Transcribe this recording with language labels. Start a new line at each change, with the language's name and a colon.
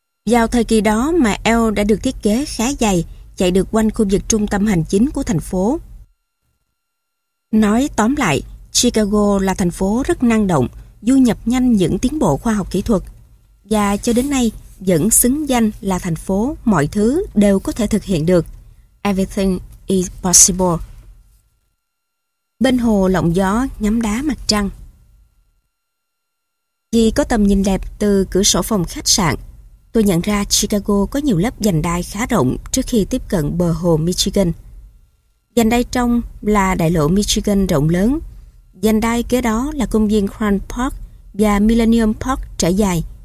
Vietnamese: Vào thời kỳ đó mà L đã được thiết kế khá dày, chạy được quanh khu vực trung tâm hành chính của thành phố. Nói tóm lại, Chicago là thành phố rất năng động, du nhập nhanh những tiến bộ khoa học kỹ thuật, và cho đến nay vẫn xứng danh là thành phố mọi thứ đều có thể thực hiện được.
English: Everything is possible.
Vietnamese: Bên hồ lộng gió ngắm đá mặt trăng. Vì có tầm nhìn đẹp từ cửa sổ phòng khách sạn, tôi nhận ra Chicago có nhiều lớp vành đai khá rộng trước khi tiếp cận bờ hồ Michigan. Vành đai trong là đại lộ Michigan rộng lớn, vành đai kế đó là công viên Grand Park và Millennium Park trải dài.